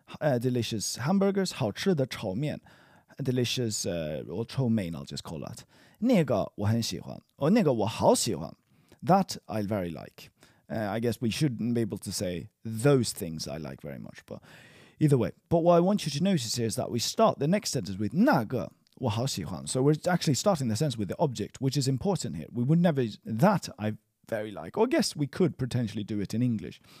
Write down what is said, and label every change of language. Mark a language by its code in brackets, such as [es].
[en] delicious hamburgers, [zh] 好吃的炒面, [en] delicious, or [zh] 臭面, [en] I'll just call that. [zh] 那个我很喜欢, or 那个我好喜欢. [en] That I very like. I guess we shouldn't be able to say those things I like very much, but either way. But what I want you to notice here is that we start the next sentence with [zh] 那个我好喜欢. [en] So we're actually starting the sentence with the object, which is important here. We would never, that I very like, or I guess we could potentially do it in English.